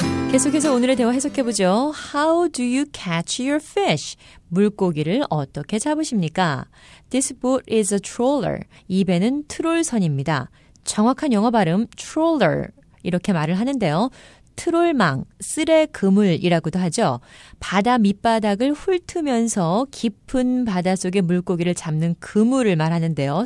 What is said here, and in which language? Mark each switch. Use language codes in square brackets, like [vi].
[ko] 계속해서 오늘의 대화 해석해 보죠. [en] How do you catch your fish? [ko] 물고기를 어떻게 잡으십니까? [en] This boat is a trawler. [ko] 이 배는 트롤선입니다. 정확한 영어 발음 trawler 이렇게 말을 하는데요. 트롤망, 쓰레 그물이라고도 하죠. 바다 밑바닥을 훑으면서 깊은 바닷속에 물고기를 잡는 그물을 말하는데요.